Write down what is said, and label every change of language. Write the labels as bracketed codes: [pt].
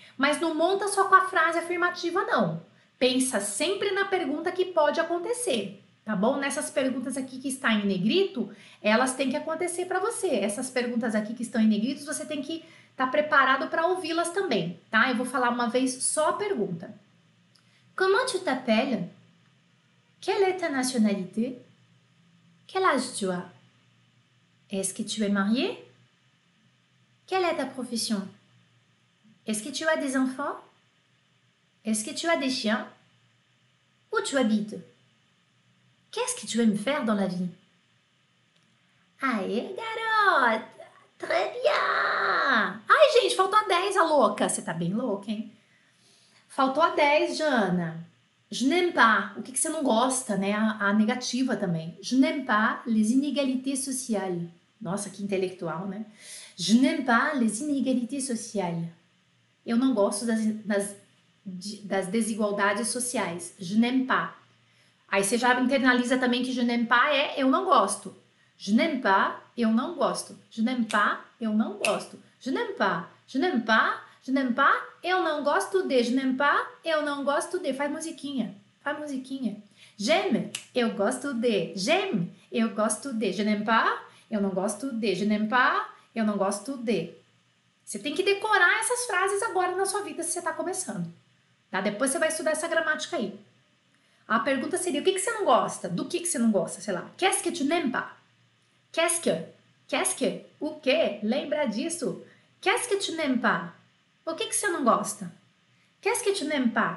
[pt] Mas não monta só com a frase afirmativa, não. Pensa sempre na pergunta que pode acontecer, tá bom? Nessas perguntas aqui que está em negrito, elas têm que acontecer para você. Essas perguntas aqui que estão em negrito, você tem que tá preparado para ouvi-las também, tá? Eu vou falar uma vez só a pergunta. [fr] Comment tu t'appelles? Quelle est ta nationalité? Quel âge tu as? Est-ce que tu es marié? Quelle est ta profession? Est-ce que tu as des enfants? Est-ce que tu as des chiens? Où tu habites? Qu'est-ce que tu aimes faire dans la vie? [pt] Aê, garota! [fr] Très bien! [pt] Ai, gente, faltou a 10, a louca! Você tá bem louca, hein? Faltou a 10, Jana. [fr] Je n'aime pas. [pt] O que você não gosta, né? A negativa também. [fr] Je n'aime pas les inégalités sociales. [pt] Nossa, que intelectual, né? [fr] Je n'aime pas les inégalités sociales. [pt] Eu não gosto das desigualdades sociais. [fr] Je n'aime pas. [pt] Aí você já internaliza também que [fr] je n'aime pas [pt] é eu não gosto. [fr] Je n'aime pas, [pt] eu não gosto. Je n'aime pas, eu não gosto. [fr] Je n'aime pas, je n'aime pas, je n'aime pas, [pt] eu não gosto de. [fr] Je n'aime pas, [pt] eu não gosto de. Faz musiquinha, faz musiquinha. [fr] J'aime, [pt] eu gosto de. J'aime, eu gosto de. [fr] Je n'aime pas, [pt] eu não gosto de. Je n'aime pas, eu não gosto de. Você tem que decorar essas frases agora na sua vida se você está começando. Tá? Depois você vai estudar essa gramática aí. A pergunta seria, o que você não gosta? Do que você não gosta? Sei lá. [fr] Qu'est-ce que tu n'aimes pas? Qu'est-ce que? [pt] O quê? Lembra disso? [fr] Qu'est-ce que tu n'aimes pas? [pt] O que você não gosta? [fr] Qu'est-ce que tu n'aimes pas?